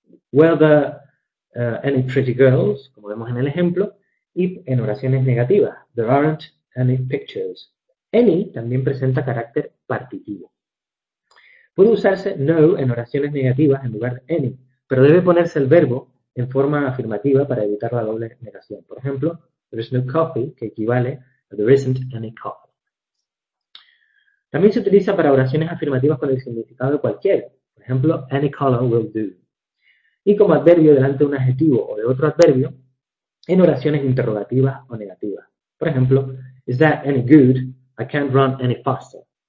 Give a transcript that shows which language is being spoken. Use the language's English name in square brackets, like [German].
[English] Whether any pretty girls, [Spanish] como vemos en el ejemplo, y en oraciones negativas, [English] there aren't any pictures. [Spanish] Any también presenta carácter partitivo. Puede usarse no en oraciones negativas en lugar de any, pero debe ponerse el verbo en forma afirmativa para evitar la doble negación. Por ejemplo, [English] there is no coffee, [Spanish] que equivale a [English] there isn't any coffee. [Spanish] También se utiliza para oraciones afirmativas con el significado de cualquier, por ejemplo, [English] any color will do. [Spanish] Y como adverbio delante de un adjetivo o de otro adverbio, en oraciones interrogativas o negativas. Por ejemplo, [English] is that any good? I can't run any faster.